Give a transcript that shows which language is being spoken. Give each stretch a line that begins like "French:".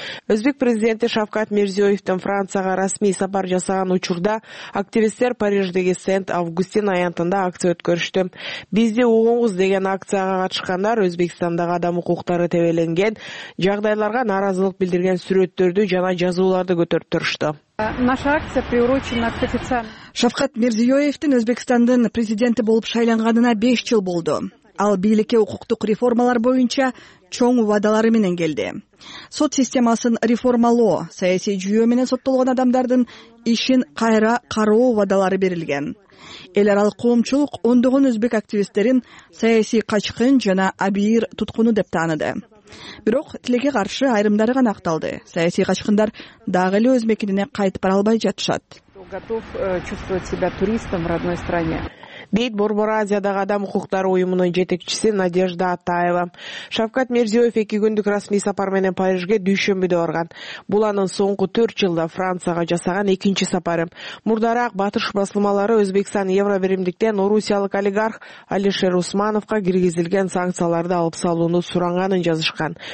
Kyrgyz: Өзбек президенти Шавкат Мирзиёевдин Францияга расмий сапар жасаган учурда активисттер Париждеги Сент-Августин аянтында акция өткөрүштү. Бизди угуңуз деген акцияга катышкандар Өзбекстандагы адам укуктары тебеленген жагдайларга нааразылык билдирген сүрөттөрдү жана жазууларды көтөрүп турушту.
Russian: Наша акция приурочена к официально.
Kyrgyz: Шавкат Мирзиёевдин Өзбекстандын президенти болуп шайланганына 5 жыл болду. Ал бийликке укуктук реформалар боюнча чоң убадалары менен келди. Сот системасын реформалоо, саясий жүйө менен соттолгон адамдардын ишин кайра кароо убадалары берилген. Эл аралык коомчулук ондогон өзбек активисттерин саясий качкын жана абийир туткуну деп тааныды. Бирок тилекке каршы айрымдары гана акталды. Саясий качкындар дагы эле өз мекенине кайтып бара албай жатышат.
Russian: Готов чувствовать себя туристом в родной стране.
Kyrgyz: Дейт Борбор Азиядагы адам укуктары уюмунун жетекчиси Надежда Атаева. Шавкат Мирзиёев 2 күндүк расмий сапар менен Парижге дүйшөмбүдө барган. Бул анын соңку 4 жылда Францияга жасаган 2-нчи сапары. Мурдараак батыш басылмалары Өзбекстан евробиримдиктен орусиялык олигарх Алишер Усмановго киргизилген санкцияларды алып салууну суранганын жазышкан.